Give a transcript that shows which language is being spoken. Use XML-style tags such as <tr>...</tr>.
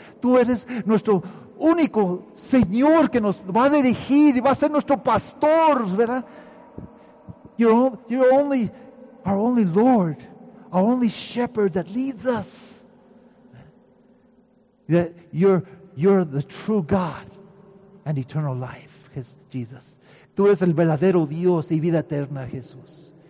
<es>Tú eres nuestro único Señor que nos va a dirigir y va a ser nuestro pastor, ¿verdad?</es> <en>You're our only Lord, our only Shepherd that leads us. That you're the true God and eternal life, Jesus.</en> <es>Tú eres el verdadero Dios y vida eterna, Jesús.</es>